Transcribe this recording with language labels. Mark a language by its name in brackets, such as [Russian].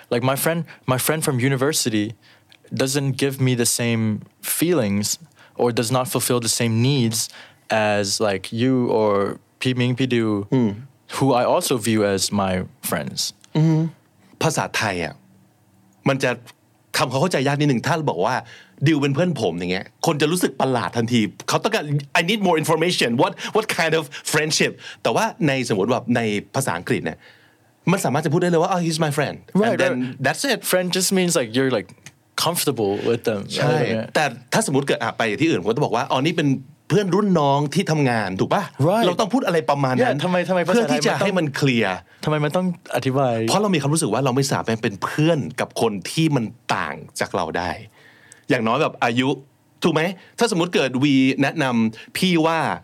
[English] Like my friend from university doesn't give me the same feelings or does not fulfill the same needs as like you or P Ming P Du, who I also view as my friends. [Thai] ภาษาไทยอ่ะมันจะคำเขาเข้าใจยากนิดนึงถ้าบอกว่าดิวเป็นเพื่อนผมอย่างเงี้ยคนจะรู้สึกประหลาดทันทีเขาต้องการ [English] I need more information what kind of friendship [Thai] แต่ว่าในสมมติแบบในภาษาอังกฤษเนี่ยมันสามารถจะพูดได้เลยว่า [English] oh he's my friend right, and then right. that's it friend just means like you're like comfortable with them [Thai] ใช่ right. แต่ถ้าสมมติเกิดไปที่อื่นผมจะบอกว่าอ๋อนี่เป็นเพื่อนรุ่นน้องที่ทำงานถูกป่ะ [English] right. [Thai] เราต้องพูดอะไรประมาณนั้น yeah, ทำไม เพื่อที่จะให้มันเคลียร์ทำไมมันต้องอธิบาย เพราะเรามีความรู้สึกว่าเราไม่สามารถเป็นเพื่อนกับคนที่มันต่างจากเราได้อย่างน้อยแบบอายุถูกไหมถ้าสมมติเกิดวีแนะนำพี่ว่า